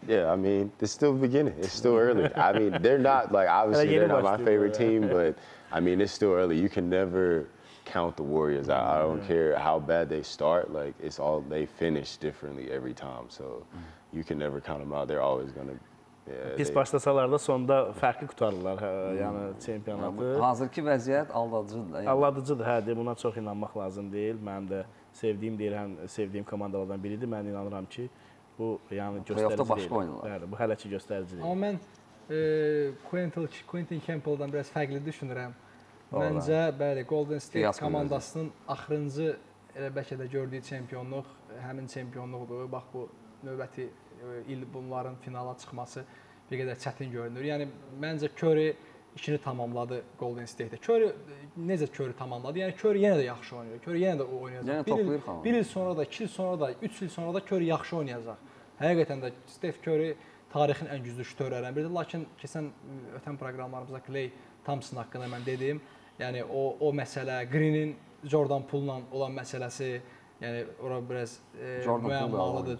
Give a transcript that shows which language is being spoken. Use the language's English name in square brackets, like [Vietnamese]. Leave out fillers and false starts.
[English] Yeah, I mean, it's still beginning. It's still early. I mean, they're not like obviously they're not my favorite team, but I mean, it's still early. You can never count the Warriors. I don't care how bad they start. Like, it's all, they finish differently every time. So you can never count them out. They're always going to. [Turkish] Yeah, pis başlasalar da sonda farklı kurtarırlar yani çempionatı. [Azerbaijani] Hazırki vəziyyət aldadıcıdır. Aldadıcıdır, hədir. Buna çox inanmaq lazım deyil. Mənim də sevdiyim deyir, həm sevdiyim komandalardan biridir. Mən inanıram ki, bu yani göstəricidir. Bəli, bu hələ ki göstəricidir. Amma mən Quentin Campbell'dan biraz fərqli düşünürəm. Məncə, bəli, Golden State Yaz komandasının axırıncı elə bəlkə də gördüyü çempionluq həmin çempionluqdur. Bax, bu növbəti il bunların finala çıxması bir qədər çətin görünür. Yəni məncə Curry işini tamamladı Golden State-də. Curry necə Curry tamamladı? Yəni Curry yenə də yaxşı oynayır. Curry yenə də oynayacaq. Yəni, bir il sonra da, 2 il sonra da, 3 il sonra da Curry yaxşı oynayacaq. Həqiqətən də Steph Curry tarixin ən güclü şütörlərindən biridir. Lakin keçən ötən proqramlarımızda Clay Thompson haqqında mən dedim. Yəni o məsələ Green'in Jordan Poole-la olan məsələsi. Yəni ora biraz müəmmalıdır.